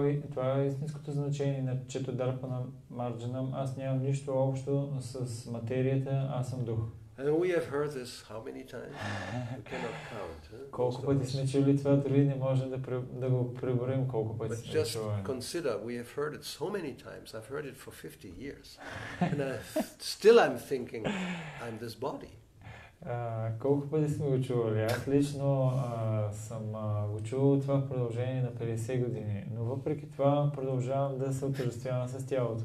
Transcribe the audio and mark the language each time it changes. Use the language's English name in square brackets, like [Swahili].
[Bulgarian] Това е истинското значение на Chittadharpana Marjanam. Аз нямам нищо общо с материята, аз съм дух. [English] And we have heard this how many times? We cannot count. [Bulgarian] Колко пъти сме чули това, дори не можем да го преборим колко пъти сме чували. [English] But just consider, we have heard it so many times. I've heard it for 50 years. And still I'm thinking, I'm this body. [Bulgarian] Колко пъти сме го чували? Аз лично съм го чувал това в продължение на 50 години. Но въпреки това продължавам да се отъждествявам с тялото.